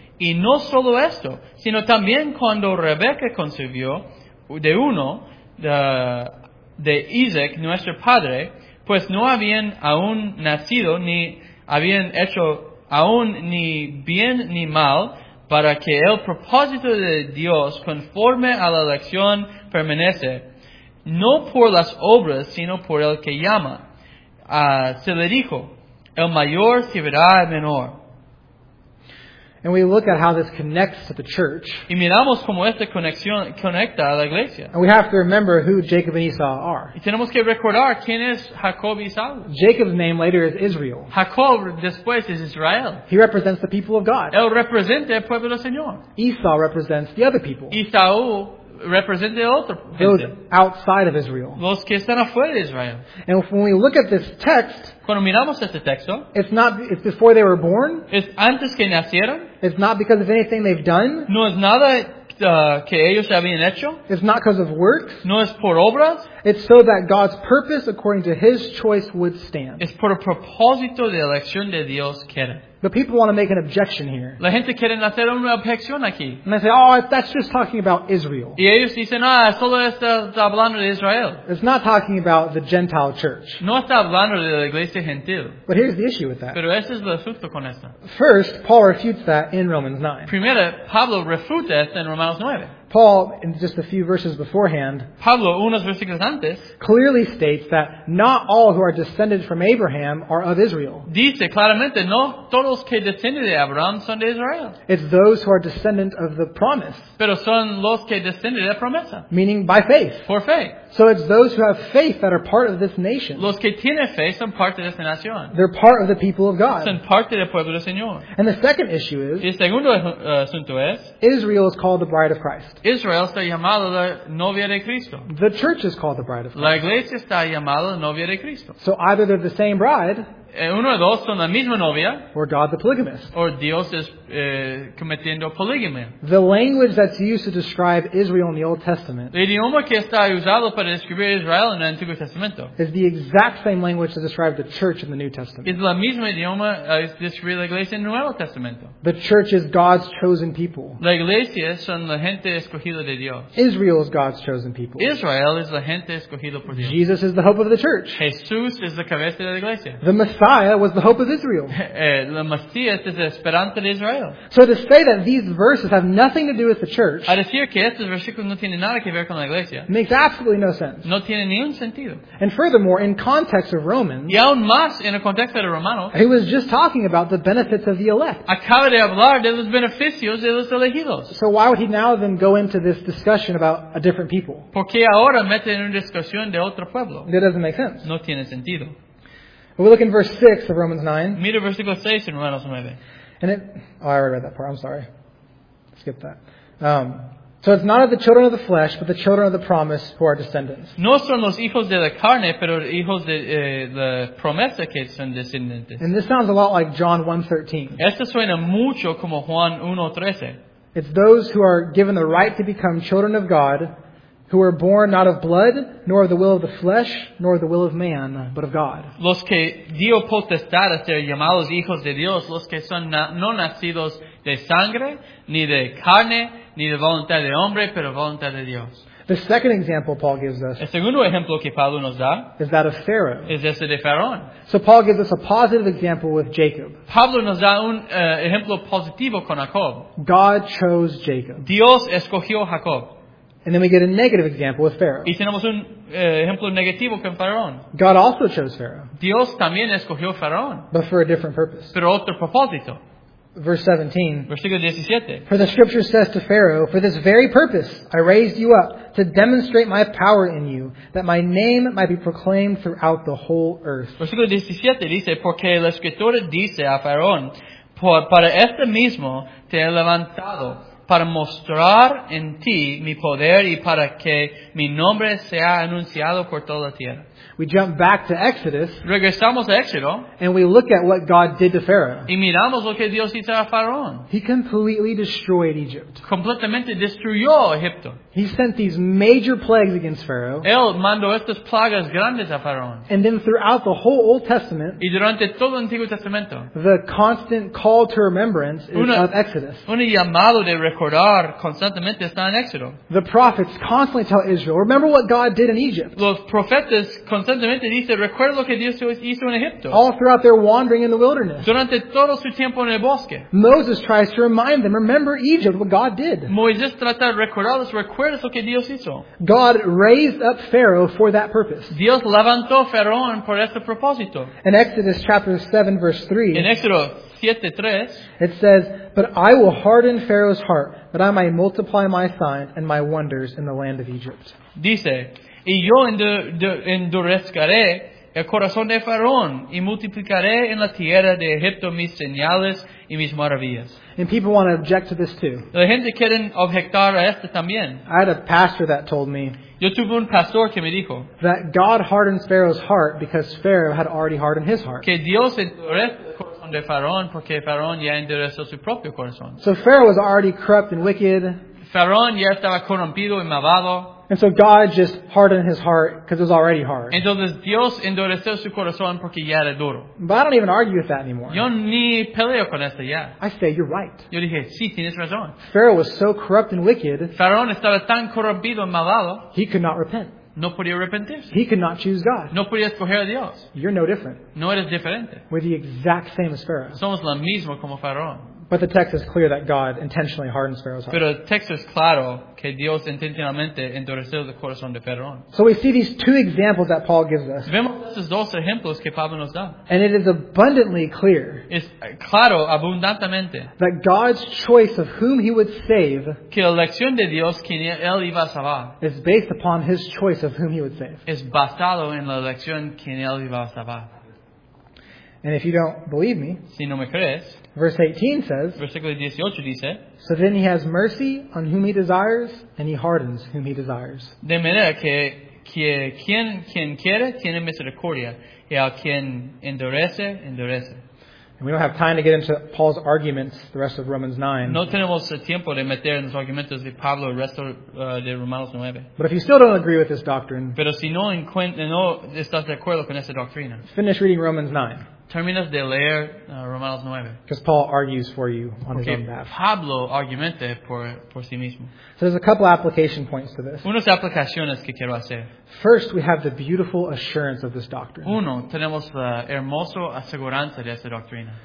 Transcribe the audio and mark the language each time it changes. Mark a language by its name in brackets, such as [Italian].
[Spanish] Y no solo esto, sino también cuando Rebeca concibió de uno, de Isaac, nuestro padre, pues no habían aún nacido, ni habían hecho aún ni bien ni mal, para que el propósito de Dios conforme a la elección permanece, no por las obras, sino por el que llama. Se le dijo, el mayor servirá al menor. [English] And we look at how this connects to the church. [Spanish] Y miramos cómo esta conexión conecta a la iglesia. [English] And we have to remember who Jacob and Esau are. [Spanish] Y tenemos que recordar quién es Jacob y Esau. [English] Jacob's name later is Israel. [Spanish] Jacob después [English] is [Spanish] Israel. [English] He represents the people of God. [Spanish] Él representa el pueblo del Señor. [English] Esau represents the other people. Esau represents the other people. Those outside of Israel. [Spanish] Los que están afuera de Israel. [English] And when we look at this text, [Spanish] cuando miramos este texto, [English] it's before they were born. [Spanish] Es antes que nacieron. [English] It's not because of anything they've done. [Spanish] No es nada que ellos habían hecho. [English] It's not because of works. [Spanish] No es por obras. [English] It's so that God's purpose, according to his choice, would stand. [Spanish] Es por el propósito de elección de Dios quiere. [English] The people want to make an objection here. [Spanish] La gente quiere hacer una objeción aquí. [English] And they say, oh, that's just talking about Israel. [Spanish] Y ellos dicen, ah, solo está hablando de Israel. [English] It's not talking about the Gentile church. [Spanish] No está hablando de la iglesia gentil. [English] But here's the issue with that. [Spanish] Pero ese es el asunto con esta. [English] First, Paul refutes that in Romans 9. [Spanish] Primero, Pablo refuta esto en Romanos 9. [English] Paul, in just a few verses beforehand, [Spanish] Pablo, unos versículos antes, [English] clearly states that not all who are descended from Abraham are of Israel. [Spanish] Dice claramente, no todos que descienden de Abraham son de Israel. [English] It's those who are descendants of the promise. [Spanish] Pero son los que descienden de la promesa. [English] Meaning by faith. [Spanish] Por fe. [English] So it's those who have faith that are part of this nation. [Spanish] Los que tienen fe son parte de esta nación. [English] They're part of the people of God. [Spanish] Son parte del pueblo del Señor. [English] And the second issue is, [Spanish] y el segundo asunto es, [English] Israel is called the bride of Christ. [Spanish] Israel está llamada la novia de Cristo. [English] The church is called the bride of Christ. [Spanish] La iglesia está llamada la novia de Cristo. [English] So either they're the same bride, [Spanish] uno o dos son la misma novia, [English] or God the polygamist, or [Spanish] Dios es cometiendo poligamia. [English] The language that's used to describe Israel in the Old Testament, [Spanish] el idioma que está usado para describir Israel en el Antiguo Testamento, [English] is the exact same language to describe the church in the New Testament. [Spanish] Es la misma idioma que describe la iglesia en el Nuevo Testamento. [English] The church is God's chosen people. [Spanish] La iglesia son la gente escogida de Dios. [English] Israel is God's chosen people. [Spanish] Israel es la gente escogida por Dios. [English] Jesus is the hope of the church. [Spanish] Jesús es la cabeza de la iglesia. [English] The Messiah was the hope of Israel. [Spanish] La Mesías es la esperanza de Israel. [English] So to say that these verses have nothing to do with the church, [Spanish] a decir que estos versículos no tienen nada que ver con la iglesia, [English] makes absolutely no sense. [Spanish] No tiene ningún sentido. [English] And furthermore, in context of Romans, [Spanish] y aún más en el contexto de Romanos, [English] he was just talking about the benefits of the elect. [Spanish] Acaba de hablar de los beneficios de los elegidos. [English] So why would he now then go into this discussion about a different people? [Spanish] ¿Por qué ahora mete en una discusión de otro pueblo? [English] That doesn't make sense. [Spanish] No tiene sentido. [English] We look in verse 6 of Romans 9. [Spanish] Mira versículo 6 en Romanos 9. [English] I already read that part. I'm sorry. Skip that. So it's not of the children of the flesh, but the children of the promise who are descendants. [Spanish] No son los hijos de la carne, pero hijos de la promesa que son descendientes. [English] And this sounds a lot like John 1:13. [Spanish] Esto suena mucho como Juan 1:13. [English] It's those who are given the right to become children of God, who were born not of blood, nor of the will of the flesh, nor of the will of man, but of God. [Spanish] Los que dio potestad a ser llamados hijos de Dios, los que son no nacidos de sangre, ni de carne, ni de voluntad de hombre, pero voluntad de Dios. [English] The second example Paul gives us, [Spanish] el segundo ejemplo que Pablo nos da, [English] is that of Pharaoh. [Spanish] Es ese de Faraón. [English] So Paul gives us a positive example with Jacob. [Spanish] Pablo nos da un ejemplo positivo con Jacob. [English] God chose Jacob. [Spanish] Dios escogió a Jacob. [English] And then we get a negative example with Pharaoh. [Spanish] Y tenemos un ejemplo negativo con Faraón. [English] God also chose Pharaoh. [Spanish] Dios también escogió a Faraón. [English] But for a different purpose. [Spanish] Pero otro propósito. [English] Verse 17. [Spanish] Versículo 17. [English] For the scripture says to Pharaoh, for this very purpose I raised you up, to demonstrate my power in you, that my name might be proclaimed throughout the whole earth. [Spanish] Versículo 17 dice, porque la escritura dice a Faraón, para este mismo te he levantado, para mostrar en ti mi poder y para que mi nombre sea anunciado por toda la tierra. [English] We jump back to Exodus. [Spanish] Regresamos a Éxodo. [English] And we look at what God did to Pharaoh. [Spanish] Y miramos lo que Dios hizo a Faraón. [English] He completely destroyed Egypt. [Spanish] Completamente destruyó Egipto. [English] He sent these major plagues against Pharaoh. [Spanish] Él mandó estas plagas grandes a Faraón. [English] And then throughout the whole Old Testament. [Spanish] Y durante todo el Antiguo Testamento. [English] The constant call to remembrance is of Exodus. [Spanish] Un llamado de recordar constantemente está en Éxodo. [English] The prophets constantly tell Israel, remember what God did in Egypt. [Spanish] Los profetas constantemente dice, recuerda lo que Dios hizo en Egipto. [English] All throughout their wandering in the wilderness. [Spanish] Durante todo su tiempo en el bosque. [English] Moses tries to remind them, remember Egypt, what God did. [Spanish] Moisés trata de recordarles, recuerda lo que Dios hizo. [English] God raised up Pharaoh for that purpose. [Spanish] Dios levantó a Faraón por este propósito. [English] In Exodus chapter 7, verse 3. [Spanish] En Éxodo 7, 3. [English] It says, but I will harden Pharaoh's heart, that I might multiply my sign and my wonders in the land of Egypt. [Spanish] Dice, y yo endurezcaré el corazón de Faraón y multiplicaré en la tierra de Egipto mis señales y mis maravillas. [English] And people want to object to this too. [Spanish] La gente quiere objetar a esto también. [English] I had a pastor that told me. [Spanish] Yo tuve un pastor que me dijo. [English] That God hardens Pharaoh's heart because Pharaoh had already hardened his heart. [Spanish] Que Dios endurece el corazón de Faraón porque Faraón ya endureció su propio corazón. [English] So Pharaoh was already corrupt and wicked. [Spanish] Faraón ya estaba corrompido y malvado. [English] And so God just hardened his heart because it was already hard. [Spanish] Entonces Dios endureció su corazón porque ya era duro. [English] But I don't even argue with that anymore. [Spanish] Yo ni peleo con esto ya. [English] I say, you're right. [Spanish] Yo dije, sí, tienes razón. [English] Pharaoh was so corrupt and wicked. [Spanish] Faraón estaba tan corrompido y malvado. [English] He could not repent. [Spanish] No podía arrepentirse. [English] He could not choose God. [Spanish] No podía escoger a Dios. [English] You're no different. [Spanish] No eres diferente. [English] We're the exact same as Pharaoh. [Spanish] Somos la misma como Faraón. [English] But the text is clear that God intentionally hardens Pharaoh's heart. [Spanish] Pero el texto es claro que Dios intencionalmente endureció el corazón de Faraón. [English] So we see these two examples that Paul gives us. [Spanish] Vemos estos dos ejemplos que Pablo nos da. [English] And it is abundantly clear. [Spanish] Es claro abundantemente. [English] That God's choice of whom he would save. [Spanish] Que la elección de Dios quien él iba a salvar. [English] Is based upon his choice of whom he would save. [Spanish] Es basado en la elección quien él iba a salvar. [English] And if you don't believe me, [Spanish] si no me crees, [English] verse 18 says, [Spanish] versículo 18 dice, [English] so then he has mercy on whom he desires, and he hardens whom he desires. [Spanish] De manera que quien quiere tiene misericordia, y a quien endurece, endurece. [English] And we don't have time to get into Paul's arguments, the rest of Romans 9. [Spanish] No tenemos tiempo de meter en los argumentos de Pablo el resto de Romanos 9. [English] But if you still don't agree with this doctrine, [Spanish] pero si no estás de acuerdo con esa doctrina, [English] finish reading Romans 9. [Spanish] Terminas de leer Romanos 9. [English] Because Paul argues for you on okay. His own behalf. [Spanish] Pablo argumenta por sí mismo. [English] So there's a couple application points to this. [Spanish] Unas aplicaciones que quiero hacer. [English] First, we have the beautiful assurance of this doctrine. [Spanish] Uno, tenemos la hermosa aseguranza de esta doctrina.